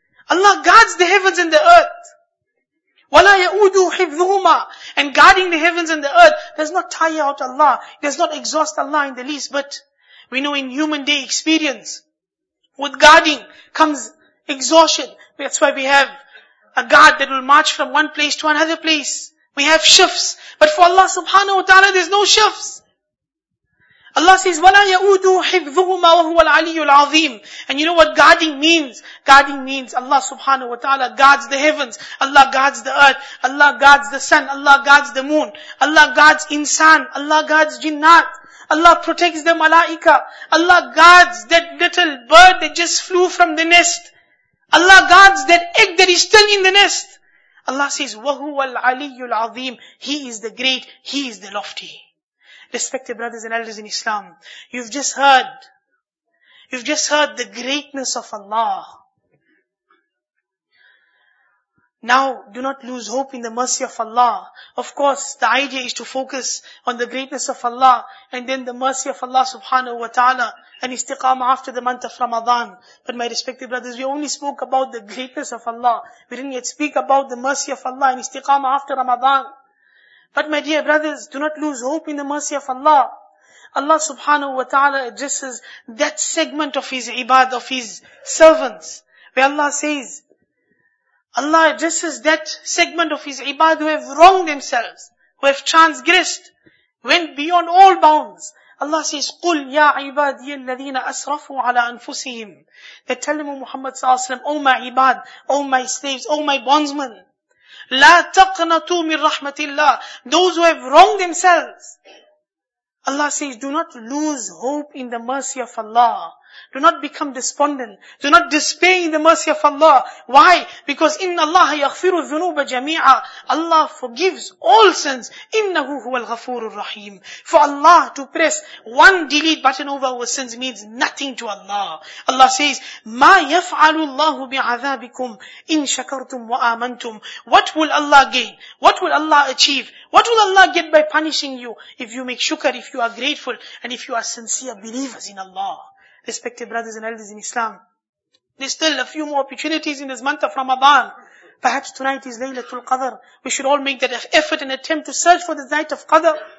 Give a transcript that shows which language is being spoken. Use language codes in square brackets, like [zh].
[en] Allah guards the heavens and the earth. [ar] وَلَا يَؤُدُوا حِفْظُهُمَا, [en] and guarding the heavens and the earth does not tire out Allah, does not exhaust Allah in the least. But we know in human day experience, with guarding comes exhaustion. That's why we have a guard that will march from one place to another place. We have shifts. But for Allah subhanahu wa ta'ala, there's no shifts. Allah says, [ar] وَلَا يَؤُدُوا حِفْظُهُمَا وَهُوَ الْعَلِيُّ الْعَظِيمُ. [en] And you know what guarding means? Guarding means Allah subhanahu wa ta'ala guards the heavens. Allah guards the earth. Allah guards the sun. Allah guards the moon. Allah guards insan. Allah guards jinnat. Allah protects the malaika. Allah guards that little bird that just flew from the nest. Allah guards that egg that is still in the nest. Allah says, [ar] وَهُوَ الْعَلِيُّ الْعَظِيمُ. [en] He is the great, He is the lofty. Respected brothers and elders in Islam, you've just heard the greatness of Allah. Now, do not lose hope in the mercy of Allah. Of course, the idea is to focus on the greatness of Allah and then the mercy of Allah subhanahu wa ta'ala and istiqamah after the month of Ramadan. But my respected brothers, we only spoke about the greatness of Allah. We didn't yet speak about the mercy of Allah and istiqamah after Ramadan. But my dear brothers, do not lose hope in the mercy of Allah. Allah subhanahu wa ta'ala addresses that segment of His ibad, of His servants, where Allah says, Allah addresses that segment of His ibad who have wronged themselves, who have transgressed, went beyond all bounds. Allah says, [ar] قُلْ يَا عِبَادِيَ الَّذِينَ أَسْرَفُوا عَلَىٰ أَنفُسِهِمْ. [en] They tell him, O Muhammad sallallahu alayhi wa sallam, O my ibad, O my slaves, O my bondsmen, [ar] لَا تَقْنَتُوا مِنْ رَحْمَةِ اللَّهِ. [en] Those who have wronged themselves. Allah says, do not lose hope in the mercy of Allah. Do not become despondent. Do not despair in the mercy of Allah. Why? Because [ar] إِنَّ اللَّهَ يَغْفِرُ الذُّنُوبَ جَمِيعًا. [en] Allah forgives all sins. [ar] إِنَّهُ هُوَ الْغَفُورُ الرَّحِيمُ. [en] For Allah to press one delete button over our sins means nothing to Allah. Allah says, [ar] مَا يَفْعَلُ اللَّهُ بِعَذَابِكُمْ إِن شَكَرْتُمْ وَآمَنْتُمْ. [en] What will Allah gain? What will Allah achieve? What will Allah get by punishing you if you make shukr, if you are grateful, and if you are sincere believers in Allah? Respected brothers and elders in Islam, there's still a few more opportunities in this month of Ramadan. Perhaps tonight is Laylatul Qadr. We should all make that effort and attempt to search for the night of Qadr.